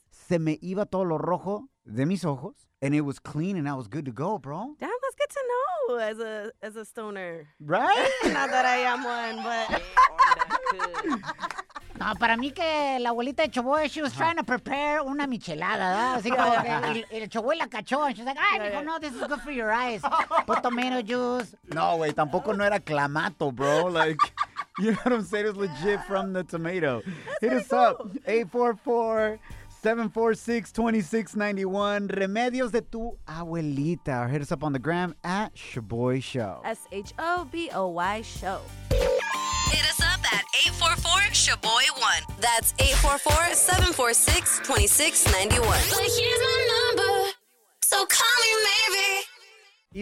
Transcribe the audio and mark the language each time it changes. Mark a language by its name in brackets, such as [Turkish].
[Spanish] Se me iba todo lo rojo de mis ojos. [English] And it was clean and I was good to go, bro. Damn, that's good to know as a stoner. Right? Not that I am one, but. [Spanish] No, para mí que la abuelita de Choboy, [English] she was trying to prepare [Spanish] una michelada, ¿verdad? Así como que el Choboy la cachó. [English] And she's like, [Spanish] ay, mijo, no, [English] this is good for your eyes. Put tomato juice. [Spanish] No, güey, tampoco no era clamato, bro. [English] Like, you know what I'm saying? It's legit from the tomato. Hit us cool. up. 844-746-2691. [Spanish] Remedios de tu abuelita. [English] Or hit us up on the gram at Choboy Show. S-H-O-B-O-Y Show. Hit us up at 844-SHABOY1. That's 844-746-2691. But here's my number, so call me maybe.